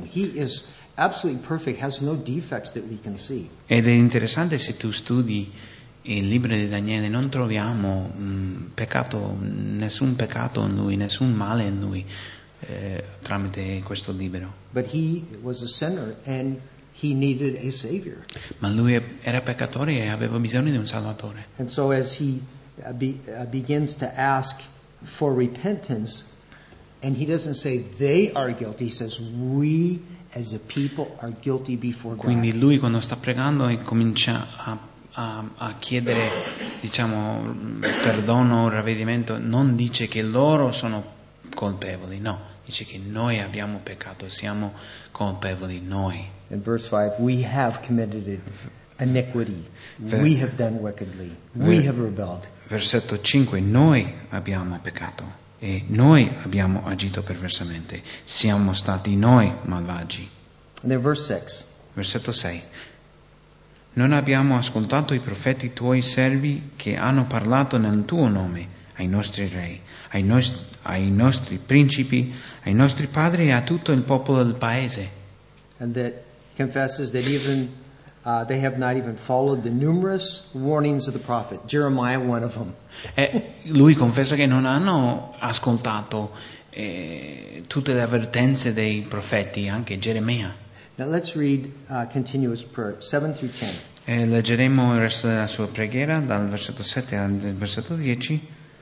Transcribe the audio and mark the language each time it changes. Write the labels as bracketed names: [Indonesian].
[English] He is absolutely perfect, has no defects that we can see. [Italian] Ed è interessante, se tu studi il libro di Daniele, non troviamo peccato, nessun peccato in lui, nessun male in lui, tramite questo libro. [English] But he was a sinner and he needed a savior. [Italian] Ma lui era peccatore e aveva bisogno di un salvatore. [English] And so as he begins to ask for repentance, and he doesn't say they are guilty, he says we as a people are guilty before God. [Italian] Quindi lui quando sta pregando e comincia a chiedere, diciamo, perdono o ravvedimento, non dice che loro sono colpevoli, no, dice che noi abbiamo peccato, siamo colpevoli noi. [English] In verse 5, we have committed iniquity. We have done wickedly. We have rebelled. [Italian] Versetto 5, noi abbiamo peccato e noi abbiamo agito perversamente. Siamo stati noi malvagi. [English] And then verse 6. [Italian] Versetto 6. Non abbiamo ascoltato i profeti tuoi servi che hanno parlato nel tuo nome ai nostri re, ai nostri principi, ai nostri padri e a tutto il popolo del paese. [English] And that confesses that even they have not even followed the numerous warnings of the prophet Jeremiah, one of them. [Italian] E lui confessa che non hanno ascoltato tutte le avvertenze dei profeti, anche Geremia. [English] Now let's read continuous prayer 7 through 10. [Italian] E leggeremo il resto della sua preghiera dal versetto 7 al versetto 10.